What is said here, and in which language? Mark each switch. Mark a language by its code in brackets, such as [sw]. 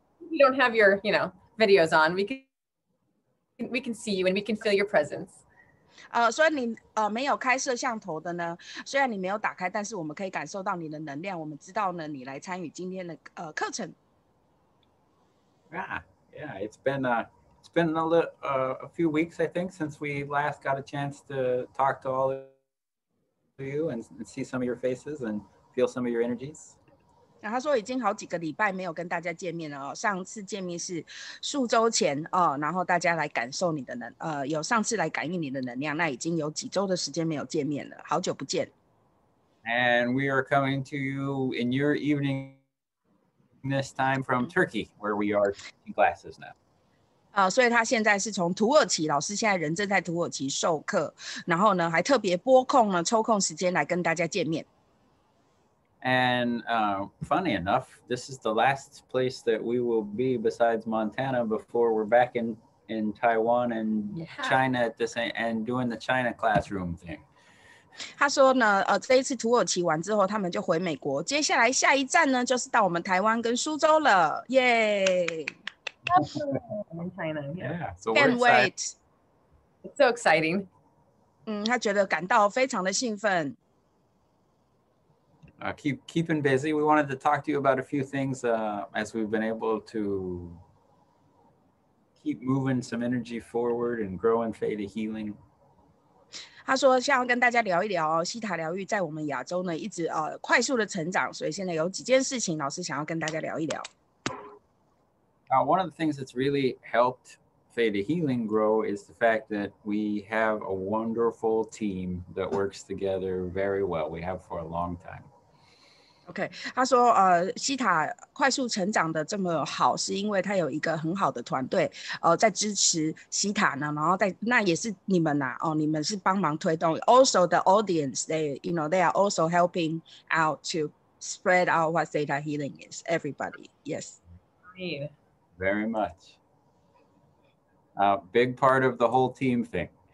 [en] You don't have your, you know, videos on. We can see you and we can feel your presence. [zh] 虽然你没有开摄像头的呢，虽然你没有打开，但是我们可以感受到你的能量。我们知道呢，你来参与今天的课程。 [en] Yeah, it's been a few weeks, I think, since we last got a chance to talk to all to you and see some of your faces and feel some of your energies. [zh] 那他说已经好几个礼拜没有跟大家见面了哦。上次见面是数周前哦，然后大家来感受你的能，有上次来感应你的能量。那已经有几周的时间没有见面了，好久不见。 [en] And we are coming to you in your evening this time from Turkey, where we are in classes now. [zh] 所以他现在是从土耳其，老师现在人正在土耳其授课，然后呢还特别拨空了抽空时间来跟大家见面。 [en] And funny enough, this is the last place that we will be besides Montana before we're back in Taiwan and China at the same, and doing the China classroom thing. [zh] 他说呢，这一次土耳其完之后，他们就回美国，接下来下一站呢就是到我们台湾跟苏州了，耶！ [en] I'm in China. Yeah, can't wait. It's so exciting. [zh] 他觉得感到非常的兴奋。 [en] Keeping busy. We wanted to talk to you about a few things as we've been able to keep moving some energy forward and grow in faith of healing. [zh] 他说想要跟大家聊一聊西塔疗愈在我们亚洲呢一直快速的成长，所以现在有几件事情老师想要跟大家聊一聊。 [en] One of the things that's really helped Theta Healing grow is the fact that we have a wonderful team that works together very well. We have for a long time. [zh] Okay, 他说西塔快速成长的这么好是因为他有一个很好的团队在支持西塔呢，然后在那也是你们啊，你们是帮忙推动。 [en] Also the audience, they are also helping out to spread out what Theta Healing is. Everybody, yes. Yeah. Very much. A big part of the whole team thing.